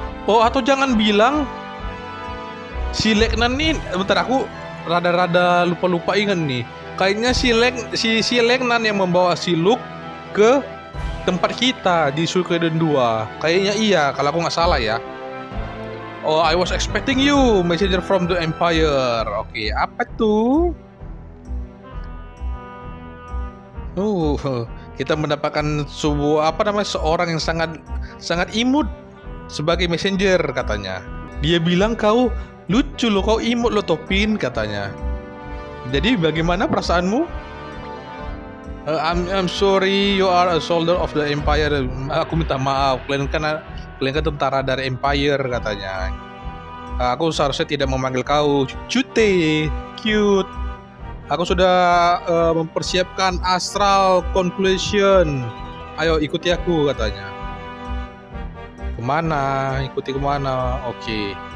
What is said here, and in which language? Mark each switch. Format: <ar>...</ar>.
<id>Oh, atau jangan bilang si Lagnat nih, bentar aku rada-rada lupa-lupa ingat nih. Kayaknya si Lagnat yang membawa si Luke ke tempat kita di Suikoden 2. Kayaknya iya kalau aku enggak salah ya.</id> <en>Oh, I was expecting you, messenger from the Empire.</en> <id>Oke, apa tuh? Kita mendapatkan seorang yang sangat sangat imut sebagai messenger katanya. Dia bilang kau lucu lo, kau imut lo topin katanya. Jadi bagaimana perasaanmu?</id> <en>I'm sorry, you are a soldier of the Empire.</en> <id>Aku minta maaf, kalian kan tentara dari Empire katanya. Aku seharusnya tidak memanggil kau cute, cute. Aku sudah mempersiapkan astral conclusion. Ayo ikuti aku katanya. Kemana? Ikuti kemana? Oke.</id>